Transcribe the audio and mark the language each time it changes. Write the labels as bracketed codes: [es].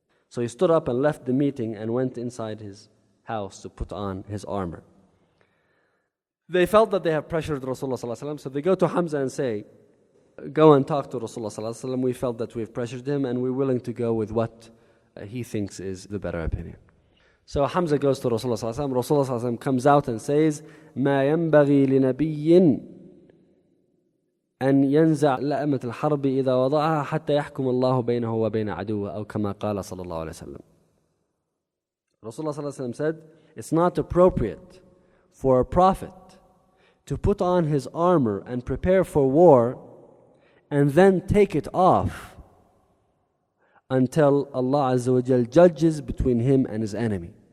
[en] So he stood up and left the meeting and went inside his house to put on his armor. They felt that they have pressured Rasulullah sallallahu alaihi wasallam, so they go to Hamza and say, go and talk to Rasulullah sallallahu alaihi wasallam. We felt that we've pressured him and we're willing to go with what he thinks is the better opinion. So Hamza goes to Rasulullah sallallahu alaihi wasallam. Rasulullah sallallahu alaihi wasallam comes out and says, [ar] مَا يَنْبَغِي لِنَبِيٍّ أَنْ يَنْزَعْ لَأَمَةِ الْحَرْبِ إِذَا وَضَعَهَا حَتَّى يَحْكُمَ اللَّهُ بَيْنَهُ وَبَيْنَ عَدُوَهُ أَوْ كَمَا قَالَ صَلَى اللَّهُ عَلَيْهِ وَسَلَّمَ. [en] Rasulullah sallallahu alaihi wasallam said, it's not appropriate for a prophet to put on his armor and prepare for war and then take it off until Allah Azza wa Jal judges between him and his enemy.